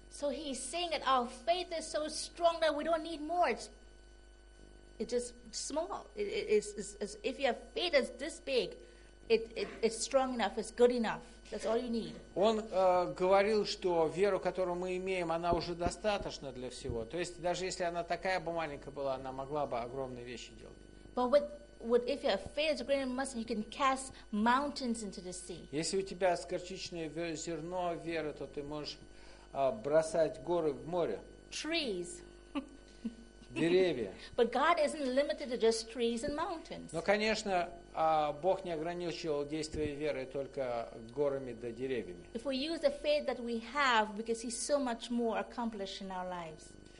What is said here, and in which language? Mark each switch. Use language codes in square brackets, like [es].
[en] So he's saying that our faith is so strong that we don't need more. It's just small. It's if you have faith that's this big, it's strong enough. It's good enough. That's all you need. [ru] Он говорил, что веру, которую мы имеем, она уже достаточна для всего. То есть даже если она такая бы маленькая была, она могла бы огромные вещи делать. [en] But what if your faith is greater than mustard, you can cast mountains into the sea. [ru] Если у тебя горчичное зерно веры, то ты можешь бросать горы в море. [en] Trees. [ru] Деревья. [en] But God isn't limited to just trees and mountains. [ru] Но, конечно, Бог не ограничивал действие веры только горами да деревьями. [en] If we use the faith that we have, because He's so much more accomplished in our lives.